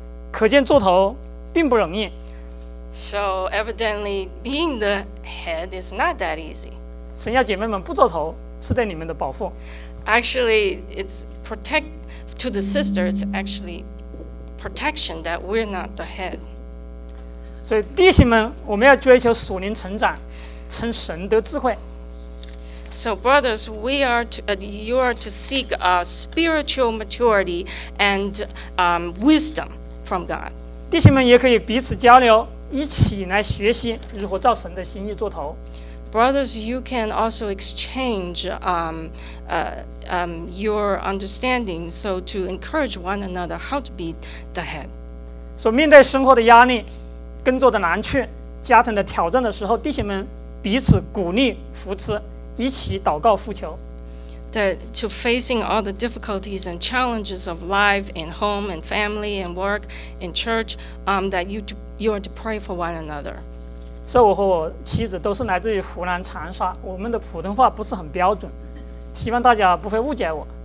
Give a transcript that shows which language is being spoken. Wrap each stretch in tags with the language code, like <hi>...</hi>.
<zh>可见做头并不容易。</zh> <en>So evidently, being the head is not that easy.</en> <zh>神要姐妹们不做头。是对你们的保护。</zh> <en>Actually, it's protect to the sisters. Actually, protection that we're not the head.</en> <zh>所以弟兄们，我们要追求属灵成长，称神得智慧。</zh> <en>So brothers, we are to, you are to seek a spiritual maturity and wisdom from God.</en> <zh>弟兄们也可以彼此交流，一起来学习如何照神的心意做头。</zh> <en>Brothers, you can also exchange your understanding, so to encourage one another how to be the head.</en> <zh>So, 面对生活的压力、工作的难处、家庭的挑战的时候，弟兄们彼此鼓励、扶持，一起祷告、呼求。</zh> <en>That to facing all the difficulties and challenges of life in home and family and work in church, that you are to pray for one another.</en> <zh>所以我和我妻子都是来自于湖南长沙，我们的普通话不是很标准，希望大家不会误解我。</zh>